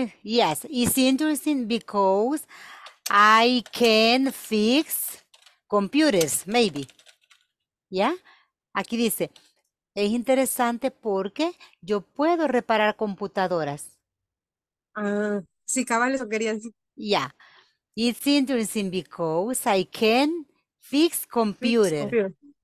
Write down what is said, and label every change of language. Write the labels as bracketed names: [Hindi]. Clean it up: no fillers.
[English] Yes, it's interesting because I can fix computers, maybe. [Spanish] ¿Ya? Aquí dice, es interesante porque yo puedo reparar computadoras. Sí, cabal, eso quería decir. [English] Yeah, it's interesting because I can fix computer.